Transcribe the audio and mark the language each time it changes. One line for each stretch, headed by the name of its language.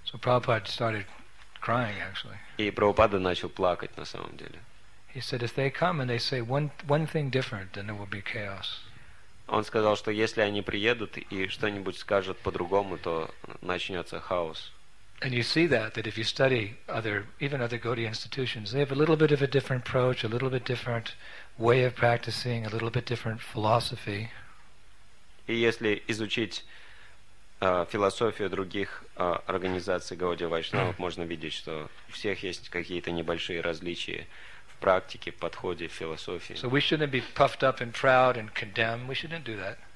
English: So Prabhupada started crying, actually.
Russian: И Прабхупада начал плакать на самом деле.
English: He said, if they come and they say one thing different, then there will be chaos.
Russian: Он сказал, что если они приедут и что-нибудь скажут по-другому, то начнется хаос.
English: And you see that if you study other, even other Gaudiya institutions, they have a little bit of a different approach, a little bit different way of practicing, a little bit different philosophy.
Russian: И если изучить философию других организаций Гаудия Вайшнава, можно видеть, что у всех есть какие-то небольшие различия в практике, в подходе, в философии.
English: So we shouldn't be puffed up and proud and condemned. We shouldn't do that.